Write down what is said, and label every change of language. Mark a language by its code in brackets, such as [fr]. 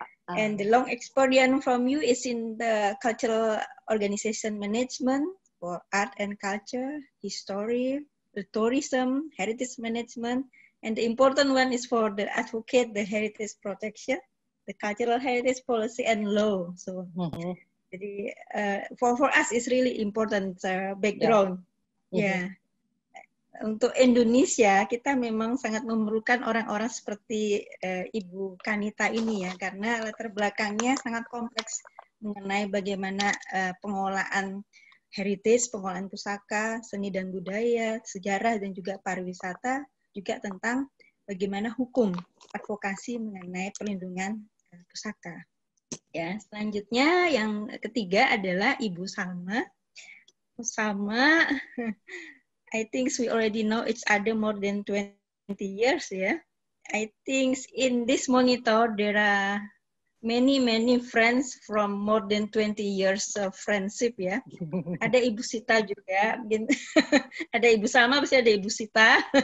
[en] And the long experience from you is in the cultural organization management for art and culture, history, the tourism, heritage management. And the important one is for the advocate, the heritage protection, the cultural heritage policy and law. So, jadi, for us is really important background. [id] Untuk Indonesia, kita memang sangat memerlukan orang-orang seperti Ibu Kanitha ini ya, karena latar belakangnya sangat kompleks mengenai bagaimana pengolahan heritage, pengolahan pusaka, seni dan budaya, sejarah dan juga pariwisata, juga tentang bagaimana hukum advokasi mengenai perlindungan pusaka. Ya, selanjutnya yang ketiga adalah Ibu Salma. [en] Salma, I think we already know each other more than 20 years, yeah. I think in this monitor there are many friends from more than 20 years of friendship, yeah. [id] Ada Ibu Sita juga, ada Ibu Salma, pasti ada Ibu Sita.